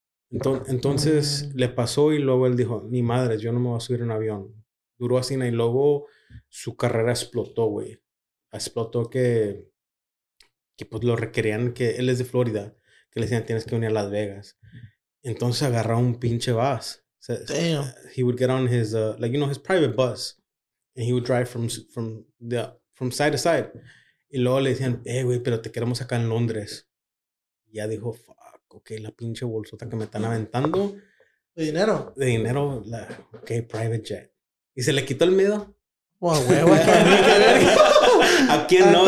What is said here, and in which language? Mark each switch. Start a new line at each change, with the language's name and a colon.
Spanish: Entonces, le pasó y luego él dijo, ni madre, yo no me voy a subir en un avión. Duró así y luego su carrera explotó, güey. Explotó que pues lo requerían, que él es de Florida, que le decían tienes que venir a Las Vegas. Entonces agarró un pinche bus.
English: Damn. He would get on his like you know his private bus and he would drive from side to side.
Spanish: Y luego le decían, güey, pero te queremos acá en Londres. Y ya dijo, fuck, ok, la pinche bolsota que me están aventando. De dinero, la, ok,
English: private jet.
Spanish: Y se le quitó el miedo. Wow, ¿a quién no?